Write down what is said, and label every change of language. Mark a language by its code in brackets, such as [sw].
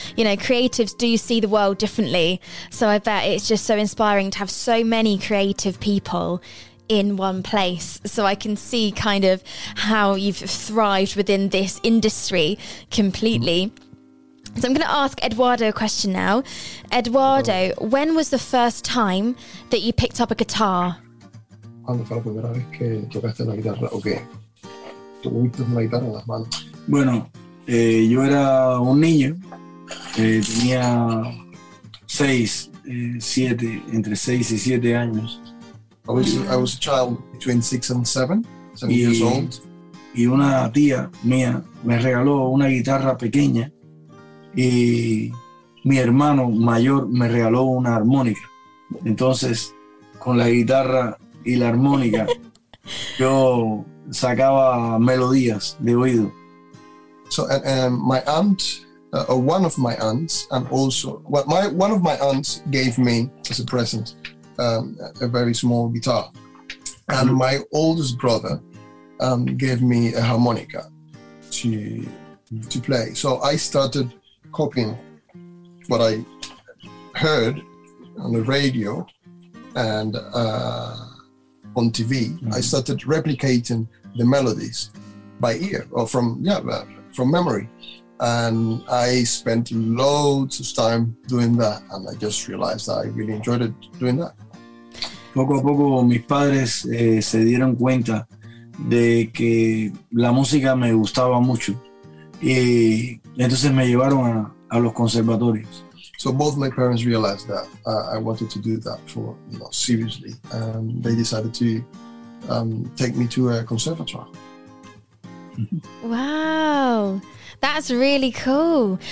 [en] You know, creatives do see the world differently. So I bet it's just so inspiring to have so many creative people in one place, so I can see kind of how you've thrived within this industry completely. So I'm going to ask Eduardo a question now. Eduardo, when was the first time that you picked up a guitar? [es] ¿Cuándo fue la primera vez que tocaste la guitarra o qué? ¿Tuviste una guitarra en las manos? Bueno, yo era un niño, tenía entre 6 y 7 años. [en] I was a child between 6 and 7 years old. [es] Y una tía mía me regaló una guitarra pequeña y mi hermano mayor me regaló una armónica. Entonces, con la guitarra y la armónica, yo sacaba melodías de oído. [en] So, my aunt, or one of my aunts, and also, well, my one of my aunts gave me as a present a very small guitar, and my oldest brother gave me a harmonica to play. So I started copying what I heard on the radio and on TV. Mm-hmm. I started replicating the melodies by ear or from memory. And I spent loads of time doing that. And I just realized that I really enjoyed it doing that. [es] Poco a poco mis padres se dieron cuenta de que la música me gustaba mucho. Y entonces me llevaron a los conservatorios. [en] So both my parents realized that I wanted to do that for, you know, seriously. And they decided to take me to a conservatoire. Wow, that's really cool.